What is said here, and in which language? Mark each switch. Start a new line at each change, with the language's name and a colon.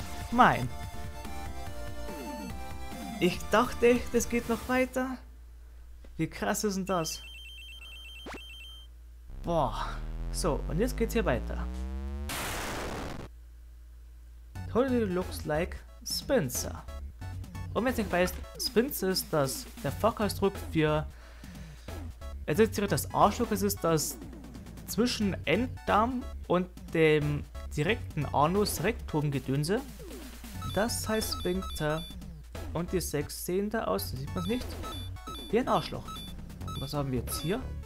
German: Mein. Ich dachte, das geht noch weiter. Wie krass ist denn das? Boah. So, und jetzt geht's hier weiter.
English: Totally looks like Spencer.
German: Und wenn ihr nicht weißt, Spencer ist das der Fachausdruck für... Es ist direkt das Arschloch, es ist das zwischen Enddarm und dem direkten Anus Rektum Gedönse. Das heißt Spencer. Und die 6 sehen da aus, sieht man es nicht, wie ein Arschloch. Was haben wir jetzt hier?